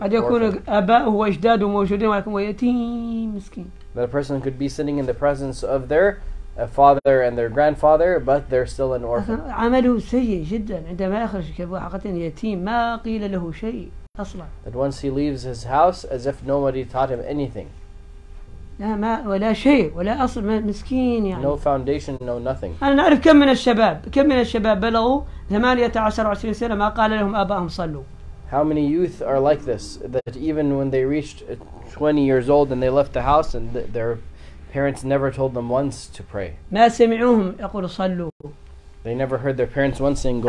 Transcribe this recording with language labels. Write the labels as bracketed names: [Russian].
[Arabic] قد يكون آباؤه وأجداده موجودين ولكن هو يتيم مسكين. [English] But a person could be sitting in the presence of their father and their grandfather, but they're still an orphan. [Arabic] عمله سيء جدا عندما يخرج كبوحقتين يتيم ما قيل له شيء أصلا. [English] That once he leaves his house, as if nobody taught him anything. [Arabic] لا ما ولا شيء ولا أصل مسكين يعني. [English] No foundation, no nothing. [Arabic] أنا نعرف كم من الشباب بلغوا 18-20 سنة ما قال لهم آباءهم صلوا. [English] How many youth are like this that even when they reached 20 years old and they left the house and their parents never told them once to pray. [Arabic] ما سمعوهم يقولوا صلوا. [English] They never heard their parents once saying go